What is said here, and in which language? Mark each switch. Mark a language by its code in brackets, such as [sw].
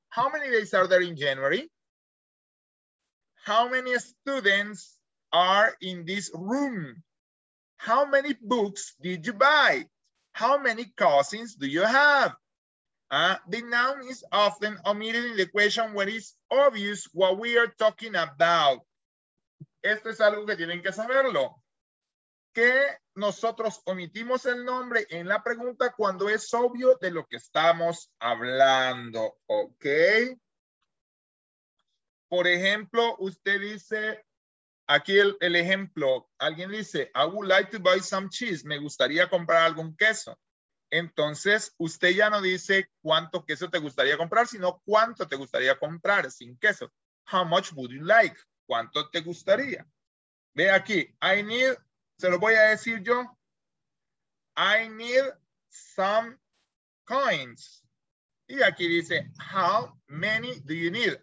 [en] How many days are there in January? How many students are in this room? How many books did you buy? How many cousins do you have? The noun is often omitted in the question when it's obvious what we are talking about. [es] Esto es algo que tienen que saberlo. Que nosotros omitimos el nombre en la pregunta cuando es obvio de lo que estamos hablando, ¿ok? Por ejemplo, usted dice, aquí el ejemplo, alguien dice, [en] I would like to buy some cheese, [es] me gustaría comprar algún queso. Entonces, usted ya no dice cuánto queso te gustaría comprar, sino cuánto te gustaría comprar sin queso. [en] How much would you like? [es] ¿Cuánto te gustaría? Ve aquí, [en] I need, [es] se lo voy a decir yo. [en] I need some coins. [es] Y aquí dice, [en] how many do you need?